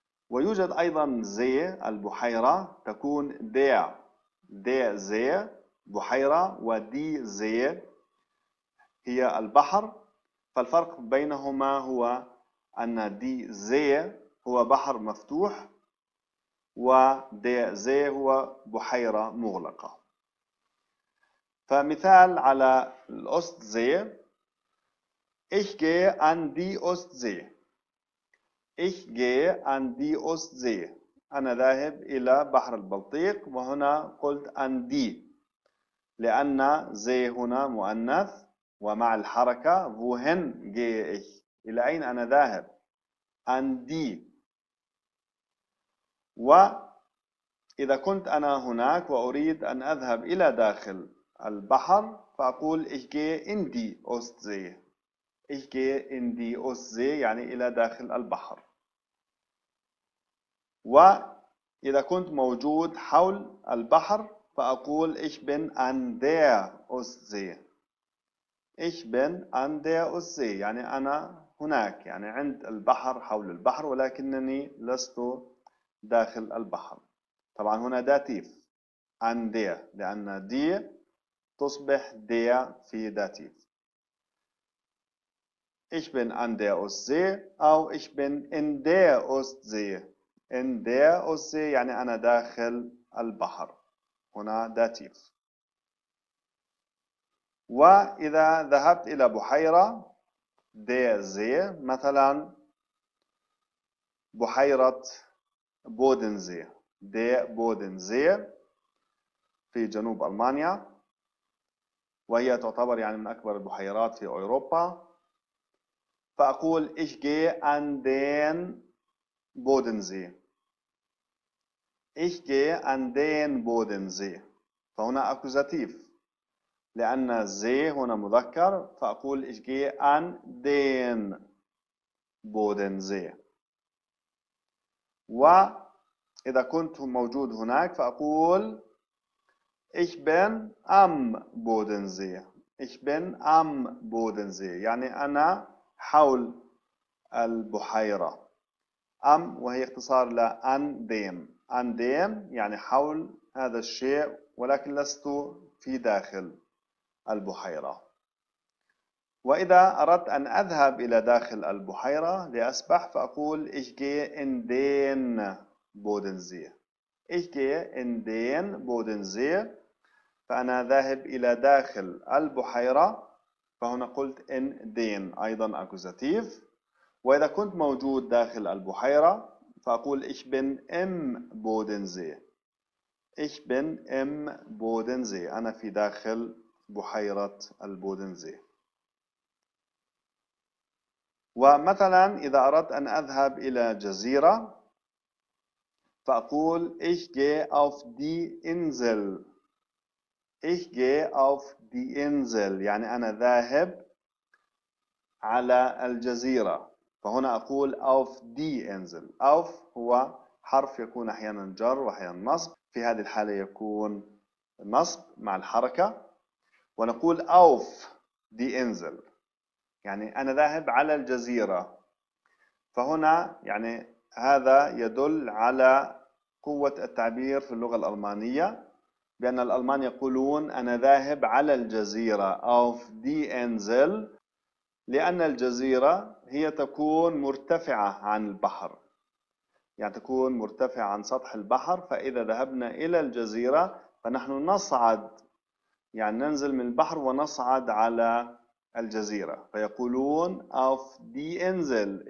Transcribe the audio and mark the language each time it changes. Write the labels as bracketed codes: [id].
[ar] ويوجد أيضا زي البحيرة، تكون دي دي زي بحيرة، ودي زي هي البحر، فالفرق بينهما هو أن دي زي هو بحر مفتوح، ودي زي هو بحيرة مغلقة. فمثال على الأوست زي، [de] ich gehe an die Ostsee. Ich gehe an die Ostsee. [ar] أنا ذاهب إلى بحر البلطيق، وهنا قلت [de] an die، [ar] لأن زي هنا مؤنث، ومع الحركة [de] wohin gehe ich، [ar] إلى أين أنا ذاهب، an die. وإذا كنت أنا هناك وأريد أن أذهب إلى داخل البحر، فأقول [de] ich gehe in die Ostsee. Ich gehe in die Ostsee [ar] يعني إلى داخل البحر. وإذا كنت موجود حول البحر فأقول [de] ich bin an der Ostsee. Ich bin an der Ostsee [ar] يعني أنا هناك يعني عند البحر حول البحر ولكنني لست داخل البحر. طبعا هنا داتيف [de] an der [ar] لأن دي تصبح der في داتيف. [de] Ich bin an der Ostsee أو ich bin in der Ostsee. In der Ostsee [ar] يعني أنا داخل البحر. هنا داتيف. وإذا ذهبت إلى بحيرة [de] der See [ar] مثلا بحيرة بودنزي der Bodensee في جنوب ألمانيا وهي تعتبر يعني من أكبر البحيرات في أوروبا فأقول [de] ich gehe an den Bodensee. Ich gehe an den Bodensee. [ar] فهنا أكوزاتيف لأن زي هنا مذكر فأقول [de] ich gehe an den Bodensee. [ar] وإذا كنت موجود هناك فأقول [de] ich bin am Bodensee. Ich bin am Bodensee. [ar] يعني أنا حول البحيرة. أم وهي اختصار ل [de] an dem. An dem [ar] يعني حول هذا الشيء ولكن لست في داخل البحيرة. وإذا أردت أن أذهب إلى داخل البحيرة لأسبح فأقول [de] ich gehe in den Bodensee. Ich gehe in den Bodensee. [ar] فأنا ذاهب إلى داخل البحيرة. فهنا قلت [de] in den [ar] أيضا أكوزاتيف. وإذا كنت موجود داخل البحيرة فأقول [de] ich bin im Bodensee. Ich bin im Bodensee. [ar] أنا في داخل بحيرة البودنزي. ومثلا إذا أردت أن أذهب إلى جزيرة فأقول [de] ich gehe auf die Insel. Ich gehe auf die Insel [ar] يعني أنا ذاهب على الجزيرة. فهنا أقول [de] auf die Insel. [ar] Auf هو حرف يكون أحيانا جر وأحيانا نصب. في هذه الحالة يكون نصب مع الحركة. ونقول [de] auf die Insel [ar] يعني أنا ذاهب على الجزيرة. فهنا يعني هذا يدل على قوة التعبير في اللغة الألمانية بأن الألمان يقولون أنا ذاهب على الجزيرة [de] auf die Insel [ar] لأن الجزيرة هي تكون مرتفعة عن البحر يعني تكون مرتفعة عن سطح البحر فإذا ذهبنا إلى الجزيرة فنحن نصعد يعني ننزل من البحر ونصعد على الجزيرة فيقولون auf die Insel.